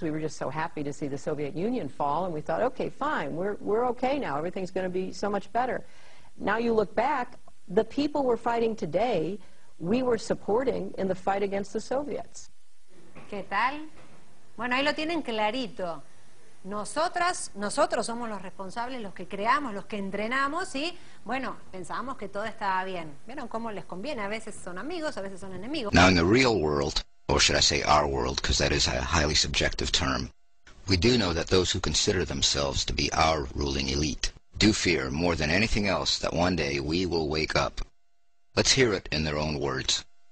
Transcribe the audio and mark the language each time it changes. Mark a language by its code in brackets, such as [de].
[en] We were just so happy to see the Soviet Union fall, and we thought, okay, fine, we're okay now. Everything's going to be so much better. Now you look back, the people we're fighting today, we were supporting in the fight against the Soviets. [es] ¿Qué tal? Bueno, ahí lo tienen clarito. Nosotros somos los responsables, los que creamos, los que entrenamos y, bueno, pensábamos que todo estaba bien. ¿Vieron cómo les conviene? A veces son amigos, a veces son enemigos. [en] Now in the real world, or should I say our world, because that is a highly subjective term, we do know that those who consider themselves to be our ruling elite do fear more than anything else that one day we will wake up. Let's hear it in their own words.